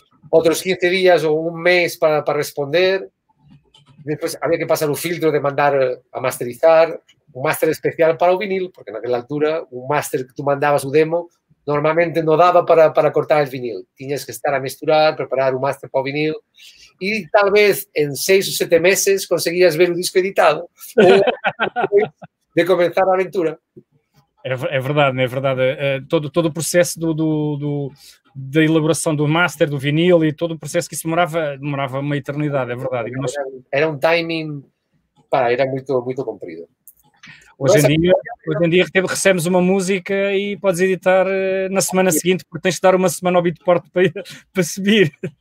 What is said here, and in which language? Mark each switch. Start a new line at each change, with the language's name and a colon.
Portuguese: Outros 15 dias ou um mês para responder. Depois havia que passar o filtro de mandar a masterizar, um master especial para o vinil, porque naquela altura um master que tu mandavas o demo normalmente não dava para cortar o vinil. Tinhas que estar a misturar, preparar o master para o vinil.
Spanish: y tal vez en 6 o 7 meses conseguirás ver un disco editado de comenzar la aventura.
Portuguese: É verdade, é verdade. Todo o processo da elaboração do master, do vinil e todo o processo que isso demorava uma eternidade, é verdade. Era um timing, era muito, muito comprido. Hoje em dia recebemos uma música e podes editar na semana seguinte, porque tens de dar uma semana ao Beatport para subir.